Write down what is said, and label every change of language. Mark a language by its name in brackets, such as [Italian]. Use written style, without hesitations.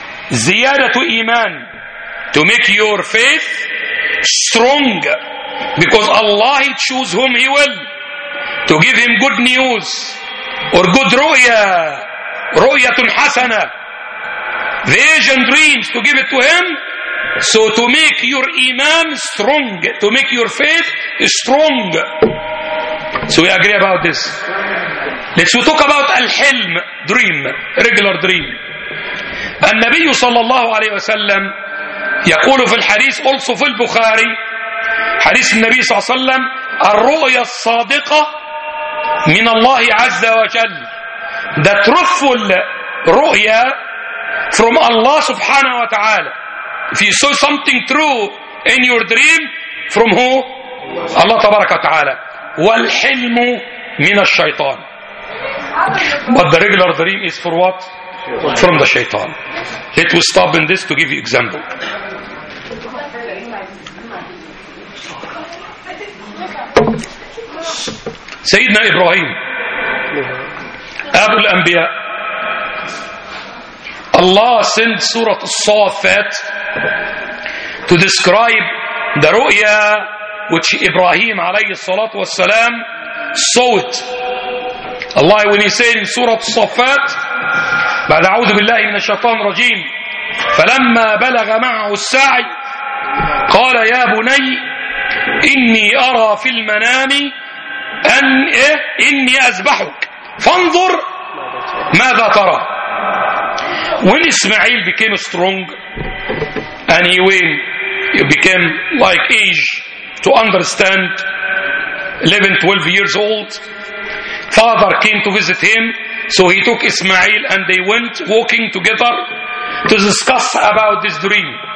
[English] Ziyadatu iman, to make your faith strong, because Allah He choose whom He will, to give him good news or good ru'ya, ru'yatun hasana, vision, dreams, to give it to him. So to make your iman strong, to make your faith strong. So we agree about this. Let's talk about al-hilm, dream, regular dream. [Arabic] النبي صلى الله عليه وسلم يقول في الحديث also في البخاري حديث النبي صلى الله عليه وسلم الرؤيا الصادقة من الله عز وجل. [English] The truthful ru'ya from Allah subhanahu wa ta'ala. If you saw something true in your dream, from who? Allah tabaraka wa ta'ala. [Arabic] والحلم من الشيطان. [English] But the regular dream is for what? From the shaitan. Let me stop in this to give you example. Sayyidina Ibrahim, Abu al-Anbiya, Allah sent Surah As-Safat to describe the ru'ya which Ibrahim alayhi salatu wasalam saw it. Allah, when He said in Surah As-Safat, [Arabic] بعد أعوذ بالله من الشيطان الرجيم فلما بلغ معه السعي قال يا بني إني أرى في المنام أن إني أذبحك فانظر ماذا ترى. [English] When Ismail became strong and he became like age to understand, 11-12 years old, father came to visit him. So he took Ismail and they went walking together to discuss about this dream.